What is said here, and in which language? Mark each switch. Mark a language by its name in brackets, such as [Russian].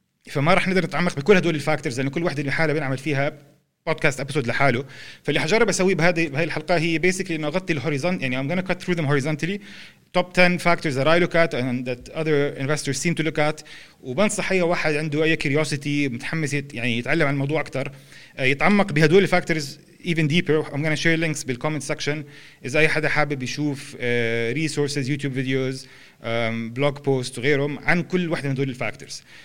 [Arabic] فما رح نقدر نتعمق بكل هدول الفاكتورز لأن كل واحدة لحالة بنعمل فيها بودكاست أبسود لحاله فاللي حجرب أسوي بهذه الحلقة هي basically إنه أغطي الهوريزونت يعني [English] I'm gonna cut through them horizontally top 10 factors that I look at [Arabic] and that other investors seem to look at وبنصح أي واحد عنده أي curiosity متحمس يعني يتعلم عن الموضوع أكتر يتعمق بهدول الفاكتورز [English] even deeper, I'm going to share links بالcomment section. [Arabic] إذا أي حدا حابب يشوف [English] resources, YouTube videos, blog posts [Arabic] وغيرهم عن كل واحدة من دول الفاكتورز.